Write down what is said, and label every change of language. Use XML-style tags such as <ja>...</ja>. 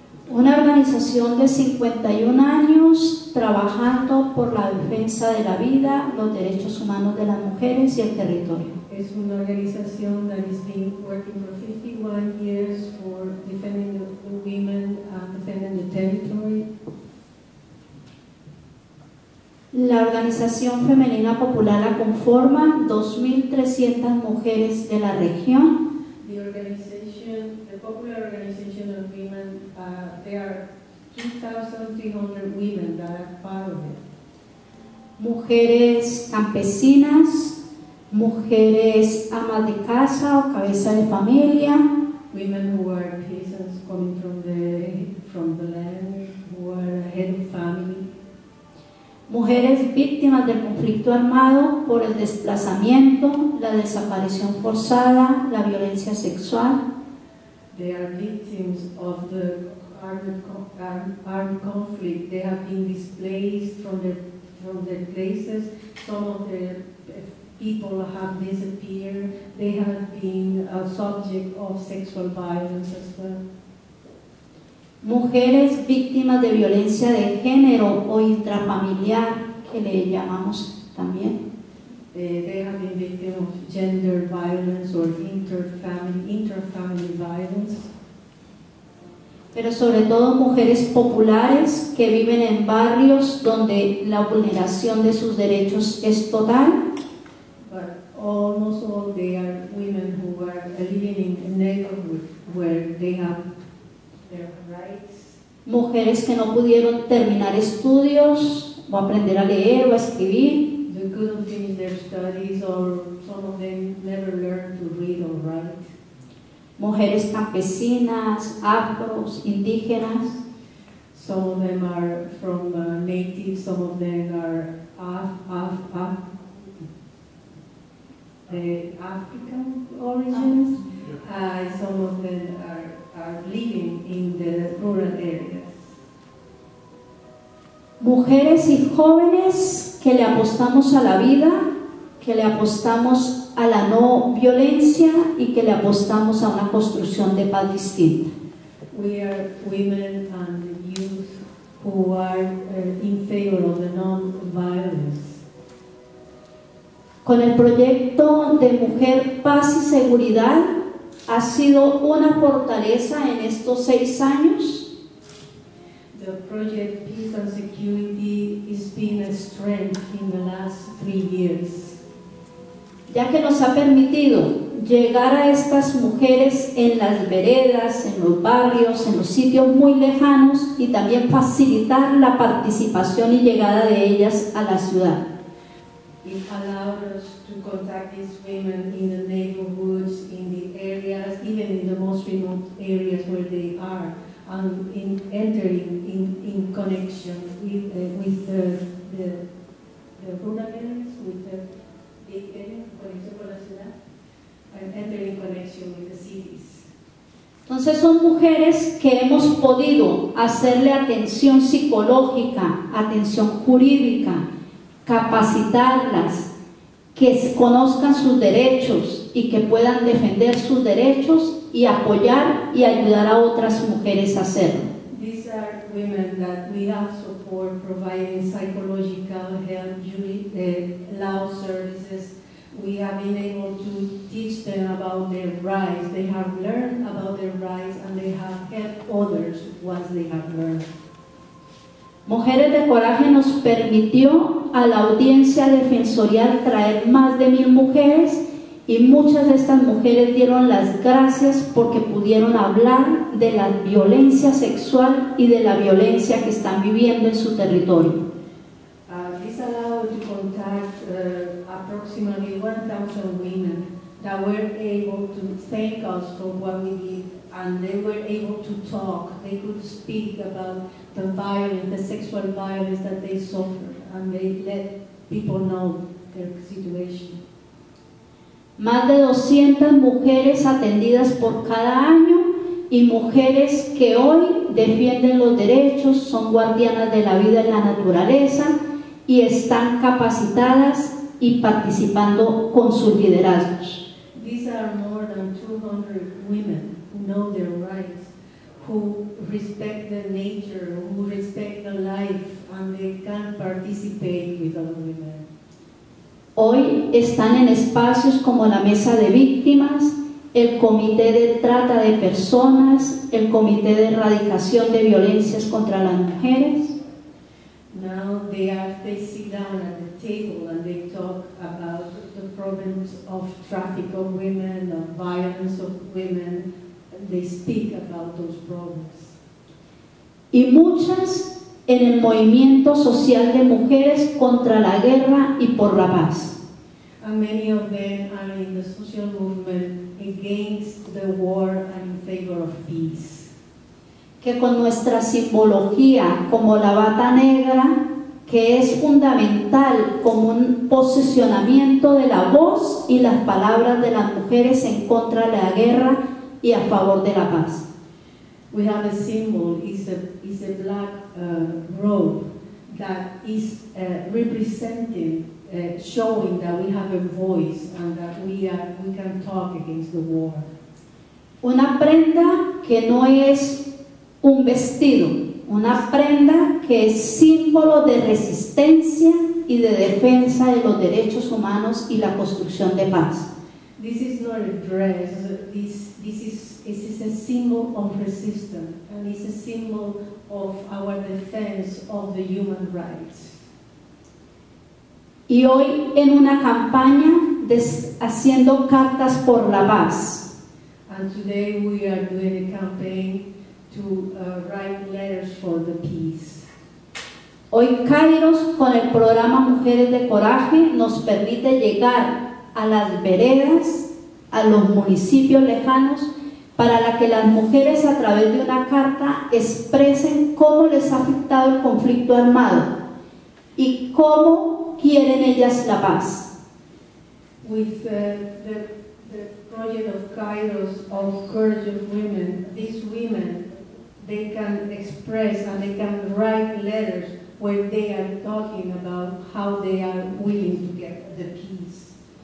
<es>Una organización de 51 años trabajando por la defensa de la vida, los derechos humanos de las mujeres y el territorio. Es una organización</es> <en>that has been working for 51 years for defending the women, defending the territory.</en> <es>La organización femenina popular la conforma 2,300 mujeres de la región.</es> <en>The organization, the popular organization of women, there are 2,300 women that are part of it.</en> <es>Mujeres campesinas, mujeres amas de casa o cabeza de familia.</es> <en>Women who are peasants coming from the land, who are head of family.</en> <es>Mujeres víctimas del conflicto armado por el desplazamiento, la desaparición forzada, la violencia sexual.</es> <en>They are victims of the armed conflict. They have been displaced from their places. Some of their people have disappeared. They have been a subject of sexual violence as well.</en> <es>Mujeres víctimas de violencia de género o intrafamiliar, que le llamamos también.</es> <en>They have been victims of gender violence or interfamily violence.</en> <es>Pero sobre todo mujeres populares que viven en barrios donde la vulneración de sus derechos es total.</es> <en>But almost all they are women who are living in a neighborhood where they have their rights.</en> <es>Mujeres que no pudieron terminar estudios o aprender a leer o a escribir.</es> <en>They couldn't finish their studies, or some of them never learned to read or write.</en> <es>Mujeres campesinas, afros, indígenas.</es> <en>Some of them are from natives, some of them are African origins. Some of them are living in the rural areas.</en> <es>Mujeres y jóvenes que le apostamos a la vida, que le apostamos a la no violencia y que le apostamos a una construcción de paz distinta.</es> <en>We are women and youth who are in favor of the non-violence.</en> <es>con el proyecto de Mujer, Paz y Seguridad ha sido una fortaleza en estos 6 años.</es> <en>The project Peace and Security has been a strength in the last 3 years.</en> <es>Ya que nos ha permitido llegar a estas mujeres en las veredas, en los barrios, en los sitios muy lejanos y también facilitar la participación y llegada de ellas a la ciudad.</es> <en>It allowed us to contact these women in the neighborhoods, in the areas, even in the most remote areas where they are, and in entering in connection with the rural areas, with the big areas,</en> <es>con la ciudad,</es> <en>and entering connection with the cities.</en> <es>Entonces son mujeres que hemos podido hacerle atención psicológica, atención jurídica, capacitarlas, que conozcan sus derechos y que puedan defender sus derechos y apoyar y ayudar a otras mujeres a hacerlo.</es> <en>These are women that we have support providing psychological help, law services. We have been able to teach them about their rights. They have learned about their rights and they have helped others once they have learned.</en> <es>Mujeres de Coraje nos permitió a la audiencia defensorial traer más de 1,000 mujeres y muchas de estas mujeres dieron las gracias porque pudieron hablar de la violencia sexual y de la violencia que están viviendo en su territorio.</es> <en>This allowed to contact approximately 1,000 women that were able to thank us for what we did, and they were able to talk, they could speak about the violence, the sexual violence that they suffered, and they let people know their situation.</en> <es>Más de 200 mujeres atendidas por cada año y mujeres que hoy defienden los derechos, son guardianas de la vida en la naturaleza y están capacitadas y participando con sus liderazgos.</es> <en>These are more than 200 women who know their rights, who respect the nature, who respect the life, and they can participate with other women.</en> <es>Hoy están en espacios como la Mesa de Víctimas, el Comité de Trata de Personas, el Comité de Erradicación de Violencias contra las Mujeres.</es> <en>Now they sit down at the table and they talk about the problems of traffic of women, of violence of women, and they speak about those problems.</en> <es>Y muchas en el Movimiento Social de Mujeres contra la Guerra y por la Paz.</es> <en>And many of them are in the social movement against the war and in favor of peace.</en> <es>Que con nuestra simbología como la bata negra, que es fundamental como un posicionamiento de la voz y las palabras de las mujeres en contra de la guerra y a favor de la paz.</es> <en>We have a symbol, it's a black robe that is representing, showing that we have a voice and that we can talk against the war.</en> <es>Una prenda que no es un vestido, una prenda que es símbolo de resistencia y de defensa de los derechos humanos y la construcción de paz.</es> <en>This is not a dress, this is a symbol of resistance and it's a symbol of our defense of the human rights.</en> <es>Y hoy en una campaña haciendo cartas por la paz.</es> <en>And today we are doing a campaign to write letters for the peace.</en> <es>Hoy Kairos con el programa Mujeres de Coraje nos permite llegar a las veredas, a los municipios lejanos, para la que las mujeres a través de una carta expresen cómo les ha afectado el conflicto armado y cómo quieren ellas la paz.</es> <en>With the project of Kairos of Courage of Women, these women, they can express and they can write letters where they are talking about how they are willing to get the peace.</en>